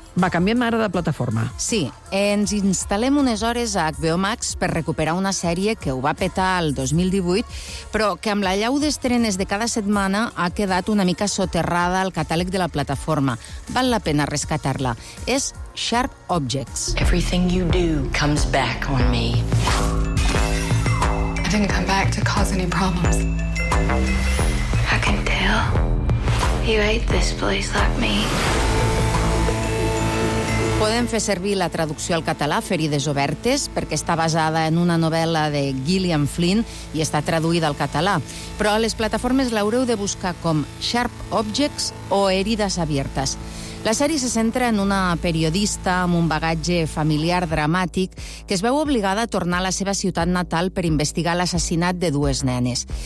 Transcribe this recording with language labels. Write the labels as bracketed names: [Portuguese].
[Catalan] Va, canviem ara de plataforma. Sí, ens instal·lem unes hores a HBO Max per recuperar una sèrie que ho va petar el 2018, però que amb l'allau d'estrenes de cada setmana ha quedat una mica soterrada al catàleg de la plataforma. Val la pena rescatar-la. És Sharp Objects. [English] Everything you do comes back on me. I didn't come back to cause any problems. I can tell you hate this place like me. [Catalan] Podem fer servir la traducció al català, Ferides obertes, perquè està basada en una novel·la de Gillian Flynn i està traduïda al català. Però a les plataformes l'haureu de buscar com Sharp Objects o Herides abiertes. La sèrie se centra en una periodista amb un bagatge familiar dramàtic que es veu obligada a tornar a la seva ciutat natal per investigar l'assassinat de dues nenes.